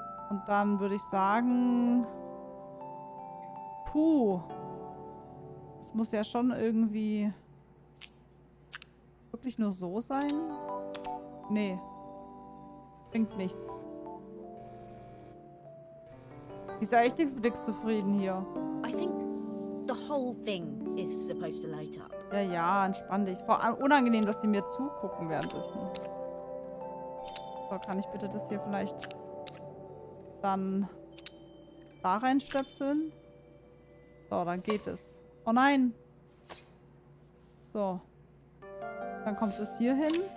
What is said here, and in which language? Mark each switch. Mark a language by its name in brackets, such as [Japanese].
[German] Und dann würde ich sagen... Puh. Das muss ja schon irgendwie... wirklich nur so sein? Nee. Bringt nichts. Ich sehe echt nichts mit nichts zufrieden hier. [English] I think the whole thing is supposed to light up. [German] Ja, ja, entspann dich. Vor allem unangenehm, dass die mir zugucken währenddessen. So, kann ich bitte das hier vielleicht dann da reinstöpseln? So, dann geht es. Oh nein! So. Dann kommt es hier hin.